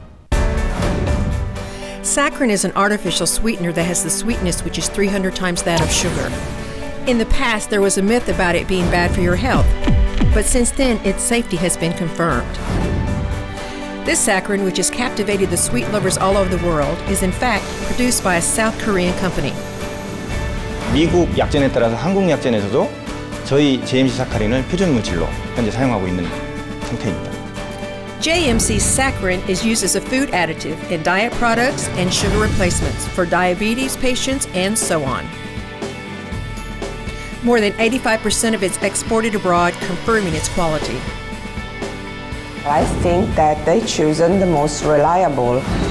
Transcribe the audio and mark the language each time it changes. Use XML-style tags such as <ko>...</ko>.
<en>Saccharin is an artificial sweetener that has the sweetness which is 300 times that of sugar. In the past, there was a myth about it being bad for your health, but since then, its safety has been confirmed. This saccharin, which has captivated the sweet lovers all over the world, is in fact produced by a South Korean company.</en> <ko>미국 약재에 따라서 한국 약재에서도 저희 JMC 사카린을 표준 물질로 현재 사용하고 있는 상태입니다.</ko> <en>JMC saccharin is used as a food additive in diet products and sugar replacements for diabetes patients and so on. More than 85% of it's exported abroad, confirming its quality. I think that they've chosen the most reliable.</en>